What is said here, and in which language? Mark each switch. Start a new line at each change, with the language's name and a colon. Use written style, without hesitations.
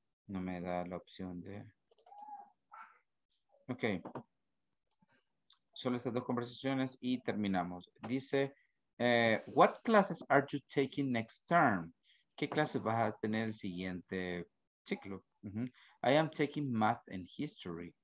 Spanish: No me da la opción de. Okay. Solo estas dos conversaciones y terminamos.
English: Dice, what classes are you taking next term?
Spanish: ¿Qué clases vas a tener el siguiente ciclo?
English: Mm-hmm. I am taking math and history.